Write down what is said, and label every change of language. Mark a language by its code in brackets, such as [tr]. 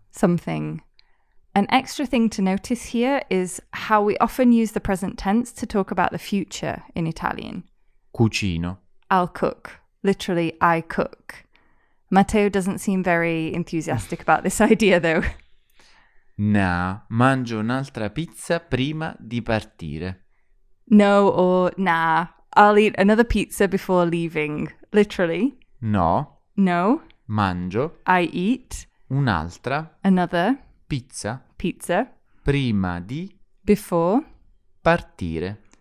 [en] Something. An extra thing to notice here is how we often use the present tense to talk about the future in Italian. [it] Cucino. [en] I'll cook. Literally, I cook. Matteo doesn't seem very enthusiastic about this idea, though. [it] Nah, mangio un'altra pizza prima di partire. [en] No or nah, I'll eat another pizza before leaving. Literally. [it] No. [en] No. [it] Mangio. [en] I eat. [it] Un'altra. [en] Another. [it] Pizza. [en] Pizza. [it] Prima di. [en] Before. [it] Partire.